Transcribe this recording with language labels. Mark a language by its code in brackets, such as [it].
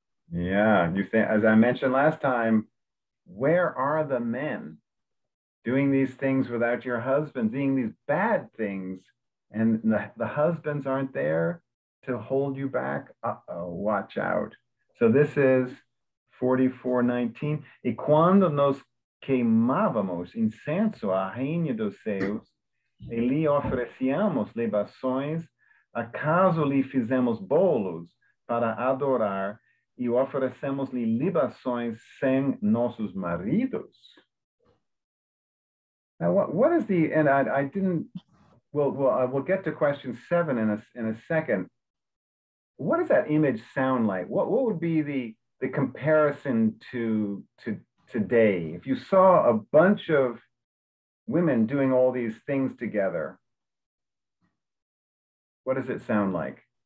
[en] Yeah, you think, as I mentioned last time, where are the men doing these things without your husbands, doing these bad things, and the husbands aren't there to hold you back? Uh-oh, watch out. So this is 44:19. [pt] E quando nos queimávamos incenso à rainha dos céus, e lhe oferecíamos libações, acaso lhe fizemos bolos para adorar, e oferecemos-lhe libações sem nossos maridos? [en] Now, what is the, and I didn't, well, I will get to question 7 in a second. What does that image sound like? What would be the comparison to today, if you saw a bunch of women doing all these things together, what does it sound like?